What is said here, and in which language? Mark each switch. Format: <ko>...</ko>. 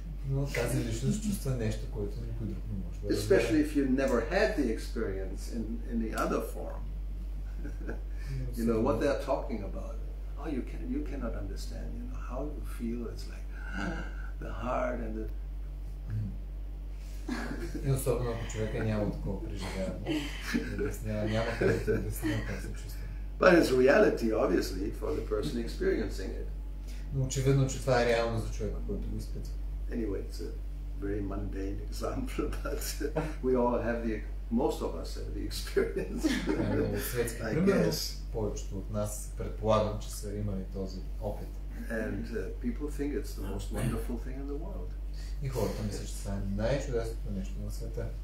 <bg>Но тази личност чувства нещо, което никой друг не може.</bg> <en>Especially if you never had the experience in the other form. You know what they're talking about. Oh, you cannot understand, you know, how you feel. It's like the heart and the</en> <bg>и особено ако човека няма такова преживяване, няма къде да обяснява как се чувства.</bg> <en>But it's reality, obviously, for the person experiencing it.</en> <bg>Но очевидно, че това е реално за човека, който го изпитва.</bg> <en>Anyway, it's a very mundane example, but we all have the, most of us have the experience.</en> <bg>Светски пример, повечето от нас предполагам, че са имали този опит.</bg> <en>And people think it's the most wonderful thing in the world.</en> <bg>И хората мисля, че това е най-чудесното нещо на света.</bg>